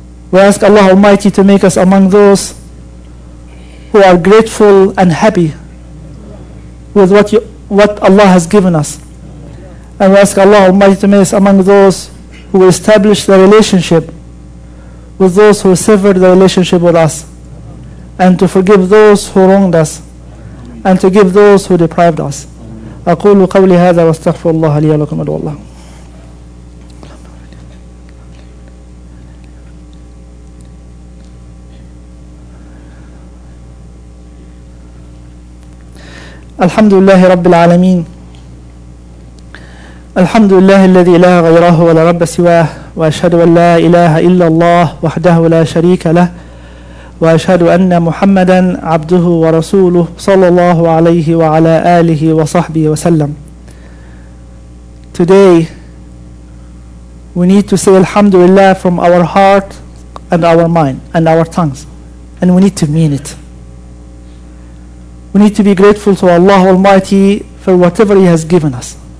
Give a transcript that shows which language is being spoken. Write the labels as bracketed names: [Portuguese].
[English] We ask Allah Almighty to make us among those who are grateful and happy with what Allah has given us. And we ask Allah Almighty to make us among those who establish the relationship with those who severed the relationship with us, and to forgive those who wronged us, and to give those who deprived us. [Arabic] أقول قولي هذا واستغفر الله لي ولكم أدعو الله. الحمد لله رب العالمين الحمد لله الذي لا غيره ولا رب سواه وأشهد أن لا إله إلا الله وحده لا شريك له وأشهد أن محمدا عبده ورسوله صلى الله عليه وعلى آله وصحبه وسلم. [English] Today we need to say Alhamdulillah from our heart and our mind and our tongues, and we need to mean it. We need to be grateful to Allah Almighty for whatever He has given us.